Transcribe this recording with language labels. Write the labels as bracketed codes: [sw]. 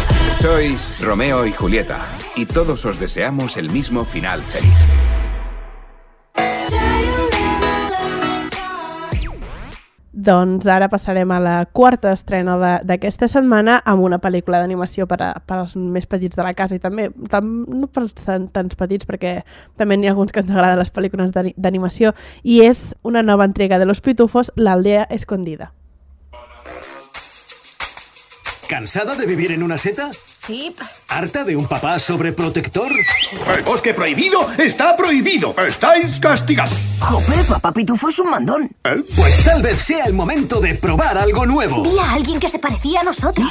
[es] Sois Romeo y Julieta, y todos os deseamos el mismo final feliz. [ca] Doncs ara passarem a la quarta estrena d'aquesta setmana amb una pel·lícula d'animació per als més petits de la casa i també no per als tan petits perquè també n'hi ha alguns que ens agraden les pel·lícules d'animació i és una nova entrega de Los Pitufos, L'Aldea Escondida. [es] ¿Cansada de vivir en una seta? Sí. ¿Harta de un papá sobreprotector? El bosque prohibido está prohibido. ¡Estáis castigados! ¡Jope, papá Pitufo es un mandón! ¿Eh? Pues tal vez sea el momento de probar algo nuevo. Vi a alguien que se parecía a nosotros.